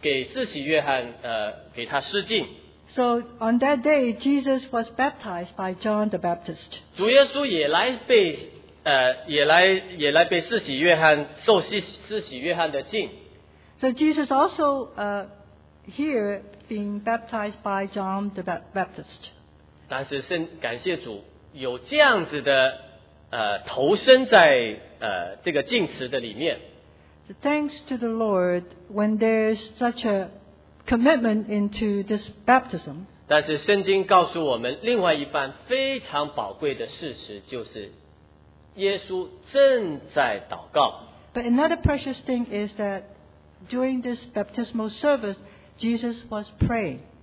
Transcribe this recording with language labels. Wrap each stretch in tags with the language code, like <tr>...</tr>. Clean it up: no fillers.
<zh>那一天主耶稣受浸给自己约翰给他施浸。</zh> <en>So on that day Jesus was baptized by John the Baptist.</en> <zh>主耶稣也来被自己约翰受施洗约翰的浸。</zh> <en>So Jesus also here being baptized by John the Baptist.</en> <zh>但是感谢主有这样子的投身在这个浸池的里面。</zh> <en>Thanks to the Lord when there's such a commitment into this baptism.</en> <zh>但是圣经告诉我们另外一半非常宝贵的事实就是耶稣正在祷告。</zh> <en>But another precious thing is that during this baptismal service, Jesus was praying.</en>